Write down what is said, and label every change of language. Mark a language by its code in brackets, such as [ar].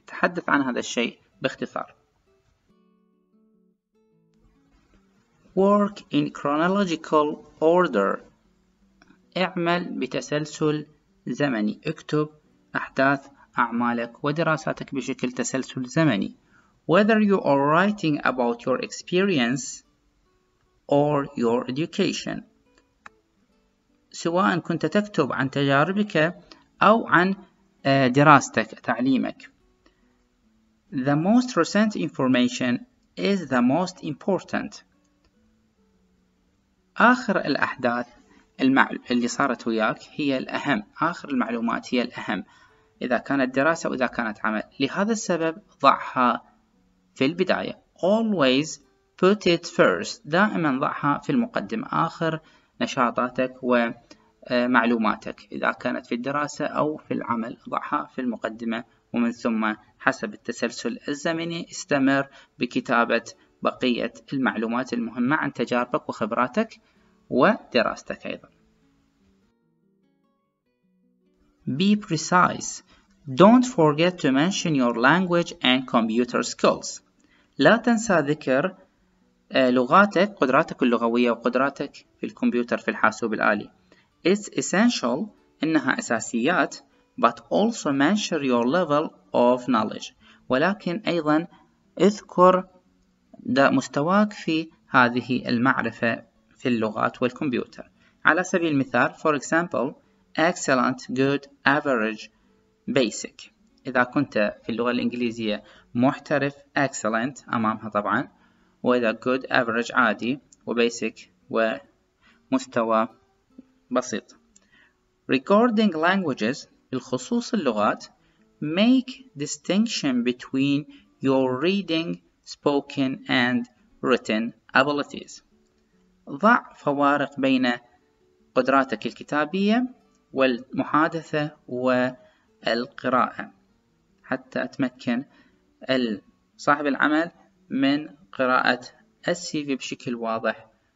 [ar] تحدث عن هذا الشيء باختصار. [en] Work in chronological order. [ar] اعمل بتسلسل زمني. اكتب أحداث أعمالك ودراساتك بشكل تسلسل زمني. [en] Whether you are writing about your experience or your education. [ar] سواء كنت تكتب عن تجاربك أو عن دراستك، تعليمك. [en] The most recent information is the most important. [ar] آخر الأحداث اللي صارت وياك هي الأهم، آخر المعلومات هي الأهم إذا كانت دراسة أو إذا كانت عمل. لهذا السبب ضعها في البداية. [en] Always put it first. [ar] دائما ضعها في المقدمة، آخر نشاطاتك ومعلوماتك إذا كانت في الدراسة أو في العمل، ضعها في المقدمة. ومن ثم حسب التسلسل الزمني استمر بكتابة بقية المعلومات المهمة عن تجاربك وخبراتك ودراستك أيضا. [en] Be precise. Don't forget to mention your language and computer skills. [ar] لا تنسى ذكر لغاتك، قدراتك اللغوية وقدراتك في الكمبيوتر، في الحاسوب الآلي. [en] It's essential. [ar] إنها أساسيات. [en] but also mention your level of knowledge. [ar] ولكن أيضا اذكر مستواك في هذه المعرفة في اللغات والكمبيوتر. على سبيل المثال, [en] for example, excellent, good, average, basic. [ar] إذا كنت في اللغة الإنجليزية محترف, excellent أمامها طبعا, وإذا good, average, عادي, وبيسك ومستوى بسيط. [en] Recording languages [ar] بالخصوص اللغات, [en] make distinction between your reading, spoken and written abilities. [ar] ضع فوارق بين قدراتك الكتابية والمحادثة والقراءة حتى أتمكن صاحب العمل من قراءة السيفي بشكل واضح.